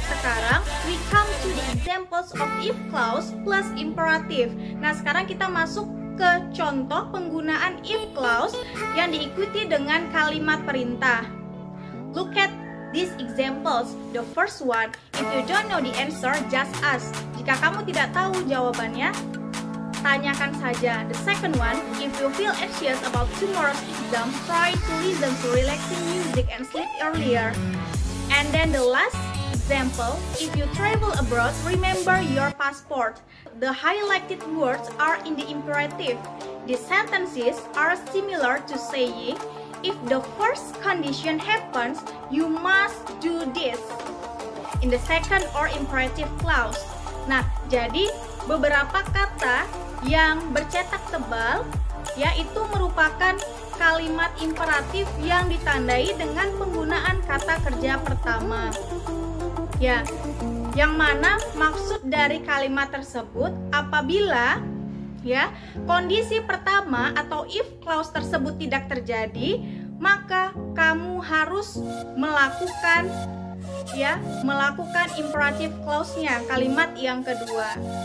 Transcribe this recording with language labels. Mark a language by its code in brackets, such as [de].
[en] Sekarang, we come to the examples of if clause plus imperative. [id] Nah, sekarang kita masuk ke contoh penggunaan if clause yang diikuti dengan kalimat perintah. [en] Look at these examples. The first one, if you don't know the answer, just ask. [id] Jika kamu tidak tahu jawabannya, tanyakan saja. [en] The second one, if you feel anxious about tomorrow's exam, try to listen to relaxing music and sleep earlier. And then the last example, if you travel abroad, remember your passport. The highlighted words are in the imperative. The sentences are similar to saying, if the first condition happens, you must do this in the second or imperative clause. [id] Nah, jadi beberapa kata yang bercetak tebal yaitu merupakan kalimat imperatif yang ditandai dengan penggunaan kata kerja pertama. Ya, yang mana maksud dari kalimat tersebut apabila ya kondisi pertama atau if clause tersebut tidak terjadi, maka kamu harus melakukan ya, melakukan imperative clause-nya, kalimat yang kedua.